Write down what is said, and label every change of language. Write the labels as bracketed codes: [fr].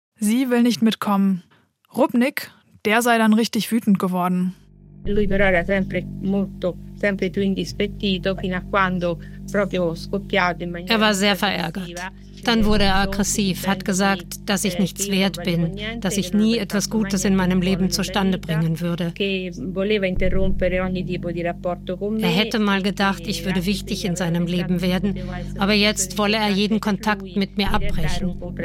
[de] Sie will nicht mitkommen. Rupnik, der sei dann richtig wütend geworden. [it] Lui però era sempre molto, sempre più indispettito fino a quando proprio scoppiato in maniera. [de] Er war sehr verärgert. Dann wurde er aggressiv, hat gesagt, dass ich nichts wert bin, dass ich nie etwas Gutes in meinem Leben zustande bringen würde. Er hätte mal gedacht, ich würde wichtig in seinem Leben werden, aber jetzt wolle er jeden Kontakt mit mir abbrechen.